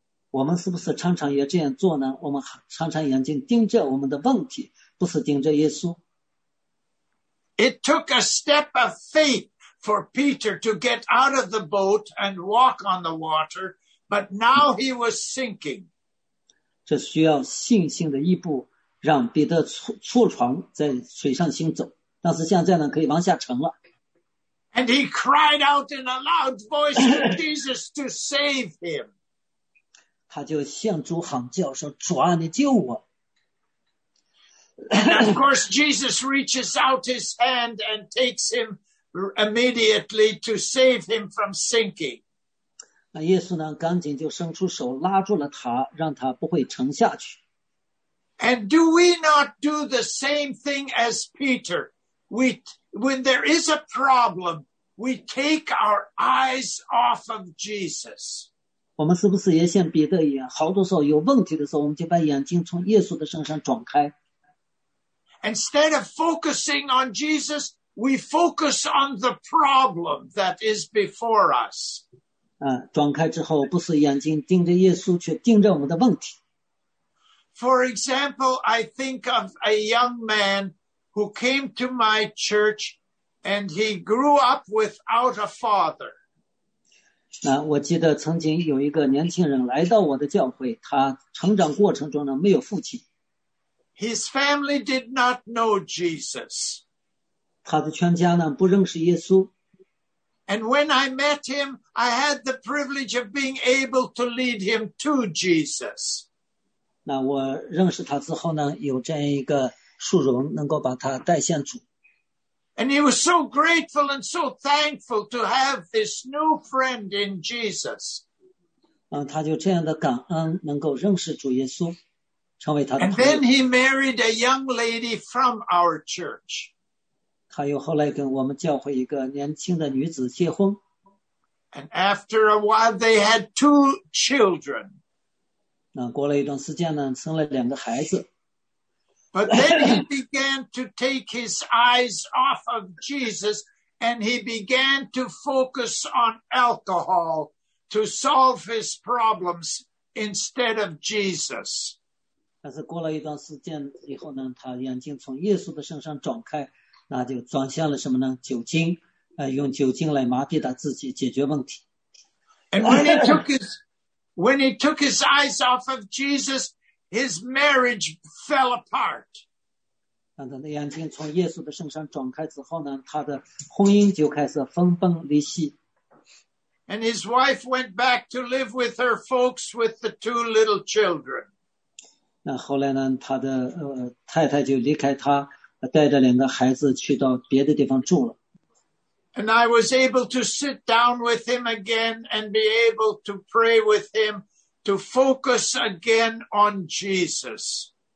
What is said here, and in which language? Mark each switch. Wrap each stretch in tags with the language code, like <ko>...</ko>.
<zh>我们是不是常常也这样做呢？我们常常眼睛盯着我们的问题，不是盯着耶稣。</zh> <en>It took a step of faith for Peter to get out of the boat and walk on the water, but now he was sinking.</en> <zh>这需要信心的一步。让彼得触床在水上行走，但是现在呢，可以往下沉了。</zh> <en>And he cried out in a loud voice to Jesus to save him.</en> <zh>他就向主喊叫说：“主啊，你救我！”</zh> <en>And of course, Jesus reaches out his hand and takes him immediately to save him from sinking.</en> <zh>那耶稣呢，赶紧就伸出手拉住了他，让他不会沉下去。</zh> <en>And do we not do the same thing as Peter? When there is a problem, we take our eyes off of Jesus.</en> <zh>我们是不是也像彼得一样，好多时候有问题的时候，我们就把眼睛从耶稣的身上转开。</zh> <en>Instead of focusing on Jesus, we focus on the problem that is before us.</en> <zh>转开之后，不是眼睛盯着耶稣，却盯着我们的问题。</zh> <en>For example, I think of a young man who came to my church and he grew up without a father.</en> <zh>那我记得曾经有一个年轻人来到我的教会，他成长过程中呢，没有父亲。</zh> <en>His family did not know Jesus.</en> <zh>他的全家呢，不认识耶稣。</zh> <en>And when I met him, I had the privilege of being able to lead him to Jesus.</en> <zh>那我认识他之后呢，有这样一个殊荣，能够把他带向主。</zh> <en>And he was so grateful and so thankful to have this new friend in Jesus.</en> <zh>他就这样的感恩，能够认识主耶稣，成为他的朋友。</zh> <en>And then he married a young lady from our church.</en> <zh>他又后来跟我们教会一个年轻的女子结婚。</zh> <en>And after a while, they had two children.</en> <zh>那过了一段时间呢，生了两个孩子。</zh> <en>But then he began to take his eyes off of Jesus, and he began to focus on alcohol to solve his problems instead of Jesus.</en> <zh>但是过了一段时间以后呢，他眼睛从耶稣的身上转开。那就转向了什么呢？酒精，用酒精来麻痹他自己，解决问题。</zh> <en>And when he took his eyes off of Jesus, his marriage fell apart.</en> <zh>当他的眼睛从耶稣的身上转开之后呢，他的婚姻就开始分崩离析。</zh> <en>And his wife went back to live with her folks with the two little children.</en> <zh>那后来呢，他的太太就离开他。带着两个孩子去到别的地方住了。And</zh> <en>I was able to sit down with him again and be able to pray with him to focus again on Jesus.</en>